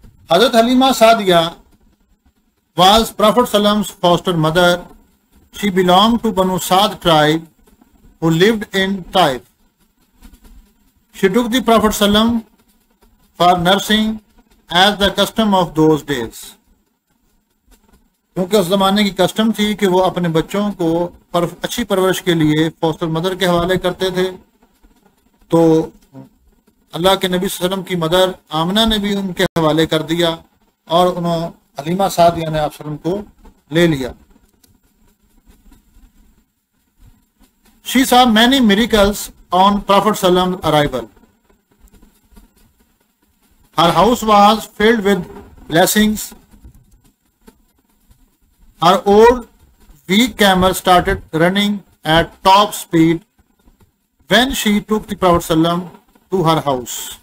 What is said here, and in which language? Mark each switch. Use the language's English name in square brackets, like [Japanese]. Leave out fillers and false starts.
[English] Hazrat Halima Saadia was Prophet Sallam's foster mother. She belonged to Banu Saad tribe who lived in Taif. She took the Prophet Sallam for nursing as the custom of those days. [Urdu] کیونکہ اس زمانے کی custom تھی کہ وہ اپنے بچوں کو اچھی پرورش کے لیے فوسٹر مدر کے حوالے کرتے تھے تو اللہ کے نبی صلی اللہ علیہ وسلم کی مدر آمنہ نے بھی ان کے حوالے کر دیا اور انہوں حلیمہ سعدیہ نے آپ صلی اللہ علیہ وسلم کو لے لیا. [English] She saw many miracles on Prophet صلی اللہ علیہ وسلم arrival. Her house was filled with blessings. Her old weak camel started running at top speed when she took the Prophet Sallam to her house.